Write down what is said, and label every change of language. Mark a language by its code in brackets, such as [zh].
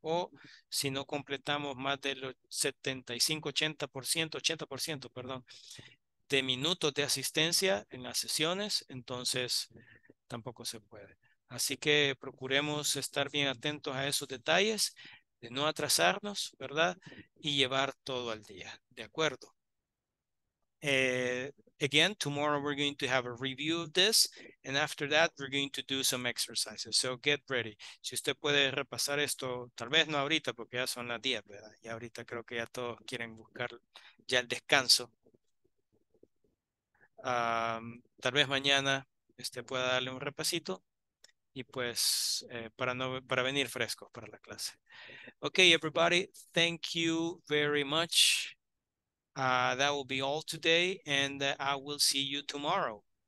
[es] O si no completamos más del 80% de minutos de asistencia en las sesiones, entonces tampoco se puede. Así que procuremos estar bien atentos a esos detalles, de no atrasarnos, ¿verdad? Y llevar todo al día, ¿de acuerdo? [en] Again, tomorrow we're going to have a review of this, and after that we're going to do some exercises, so get ready. [es] Si usted puede repasar esto, tal vez no ahorita, porque ya son las 10, ¿verdad? Y ahorita creo que ya todos quieren buscar ya el descanso. Tal vez mañana pueda darle un repasito. Y pues, para venir frescos para la clase. [en] Okay, everybody, thank you very much. That will be all today, and I will see you tomorrow.